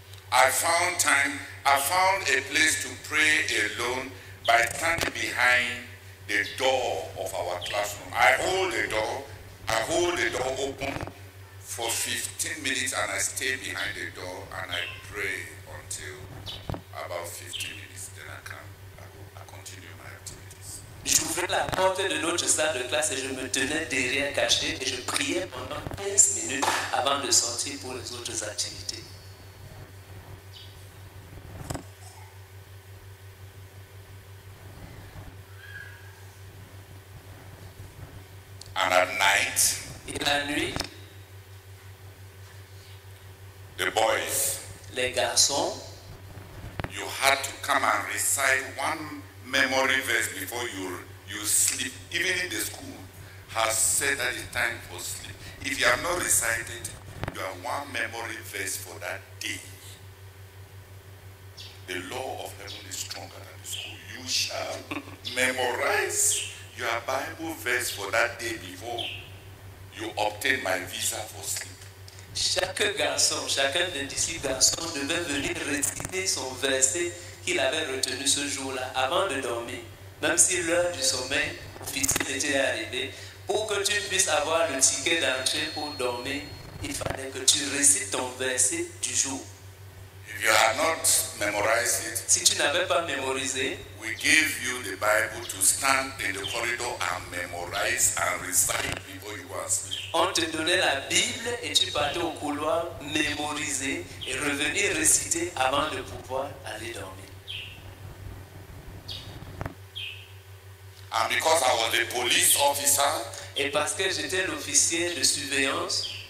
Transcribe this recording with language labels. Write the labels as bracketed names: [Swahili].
[English] I found a place to pray alone by standing behind the door of our classroom. I hold the door open for 15 minutes and I stay behind the door and I pray until about 15 minutes. Then I continue my activities. [French] J'ouvrais la porte de notre salle de classe et je me tenais derrière caché et je priais pendant 15 minutes avant de sortir pour les autres activités. [English] And at night, [French] et la nuit, [English] the boys, [French] les garçons, [English] you had to come and recite one memory verse before you sleep. Even in the school has set that the time for sleep. If you have not recited, you have one memory verse for that day. The law of heaven is stronger than the school. You shall memorize your Bible verse for that day before you obtain my visa for sleep. [French] Chaque garçon, chacun des disciples garçons devait venir réciter son verset qu'il avait retenu ce jour-là avant de dormir, même si l'heure du sommeil officiel était arrivée, pour que tu puisses avoir le ticket d'entrée pour dormir, il fallait que tu récites ton verset du jour. [English] If you have not memorized it, [French] si tu n'avais pas mémorisé, [English] we give you the Bible to stand in the corridor and memorize and recite before you are asleep. [French] On te donnait la Bible et tu partais au couloir mémoriser et revenir réciter avant de pouvoir aller dormir. [English] And because I was a police officer, [French] et parce que j'étais l'officier de surveillance,